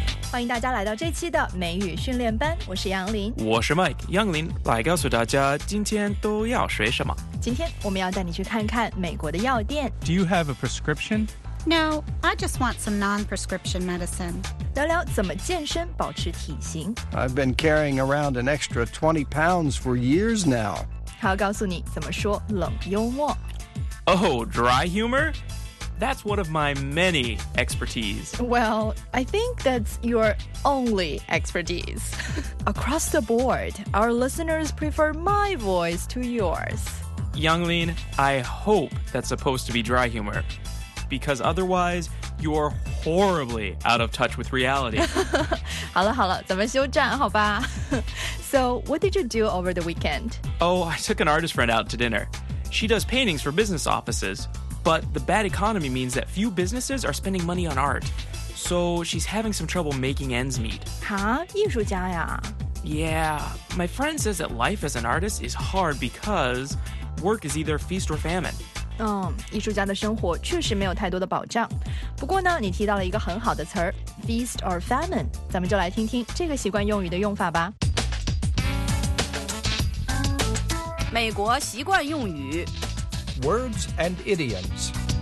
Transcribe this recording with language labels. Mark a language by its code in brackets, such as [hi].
[zh] 欢迎大家来到这期的美语训练班，我是杨林，我是 Mike 杨林，来告诉大家今天都要学什么。今天我们要带你去看看美国的药店。 [en] Do you have a prescription? No, I just want some non-prescription medicine. [zh] 聊聊怎么健身保持体型。 [en] I've been carrying around an extra 20 pounds for years now. [zh] 还要告诉你怎么说冷幽默。 [en] Oh, dry humor? That's one of my many expertise. Well, I think that's your only expertise. Across the board, our listeners prefer my voice to yours. Younglin, I hope that's supposed to be dry humor, because otherwise, you're horribly out of touch with reality. [zh] 好了好了，咱们休战好吧。 [en] So, what did you do over the weekend? Oh, I took an artist friend out to dinner. She does paintings for business offices, but the bad economy means that few businesses are spending money on art. So she's having some trouble making ends meet. [zh] Huh? 艺术家呀? [en] Yeah, my friend says that life as an artist is hard because work is either feast or famine. [zh] 艺术家的生活确实没有太多的保障。不过呢，你提到了一个很好的词儿 [en] feast or famine. [zh] 咱们就来听听这个习惯用语的用法吧。美国习惯用语 [en] Words and idioms